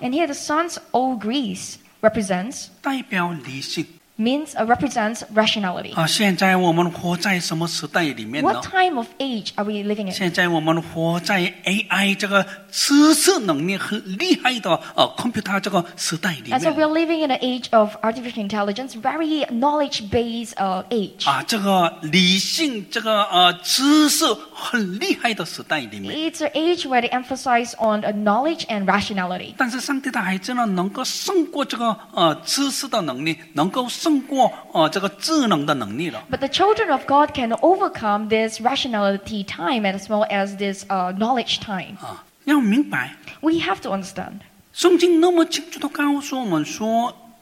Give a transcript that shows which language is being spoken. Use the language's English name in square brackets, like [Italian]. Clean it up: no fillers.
[English] And here the sons, O Greece, represents [Chinese] 代表理性, [English] means represents rationality. [Chinese] 现在我们活在什么时代里面呢? [English] What time of age are we living in? [Chinese] 现在我们活在AI这个知识能力很厉害的 computer这个时代里面。 [English] And so we're living in an age of artificial intelligence, very knowledge-based age. [Chinese] 这个理性这个 知识很厉害的时代里面。 [English] It's an age where they emphasize on knowledge and rationality. [Chinese] 但是上帝的孩子呢, 能够胜过这个 知识的能力, 能够胜 [English] But the children of God can overcome this rationality time as well as this knowledge time. [Chinese] 要明白, [English] we have to understand. [Chinese] 圣经那么清楚地告诉我们说,